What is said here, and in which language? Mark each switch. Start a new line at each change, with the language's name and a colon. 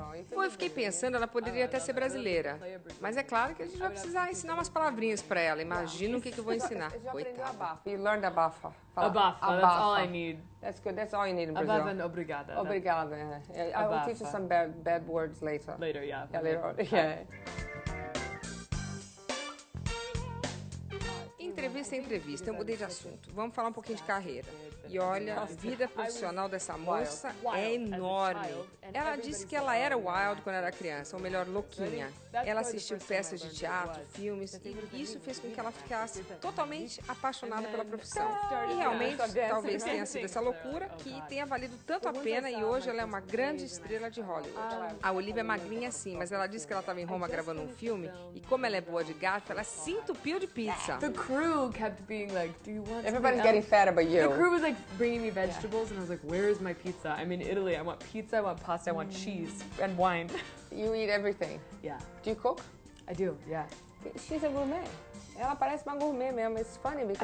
Portuguese: Eu fiquei pensando, ela poderia até ser brasileira. Mas é claro que a gente vai precisar ensinar umas palavrinhas pra ela. Imagina o que eu vou ensinar. Coitada.
English: You learned abafa. Abafa, that's all I need. That's good, that's all you need in Brazil. Abafa and obrigada.
Portuguese: Obrigada.
English: I will teach you some bad words later. Later, yeah. Yeah, later on. Yeah.
Portuguese: Entrevista é entrevista, eu mudei de assunto. Vamos falar um pouquinho de carreira. E olha, a vida profissional dessa moça é enorme. Ela disse que ela era wild quando era criança, ou melhor, louquinha. Ela assistiu peças de teatro, filmes, e isso fez com que ela ficasse totalmente apaixonada pela profissão. E realmente, talvez tenha sido essa loucura que tenha valido tanto a pena e hoje ela é uma grande estrela de Hollywood. A Olivia é magrinha sim, mas ela disse que ela estava em Roma gravando um filme e como ela é boa de gato, ela se entupiu de pizza.
English: The crew kept being like, do you want something Everybody's else? Getting fatter but you. The crew was like bringing me vegetables and I was like, where is my pizza? I'm in Italy, I want pizza, I want pasta, I want cheese and wine. You eat everything? Yeah. Do you cook? I do, yeah. She's a gourmet.
Portuguese: Ela parece uma gourmet mesmo.
English: It's funny because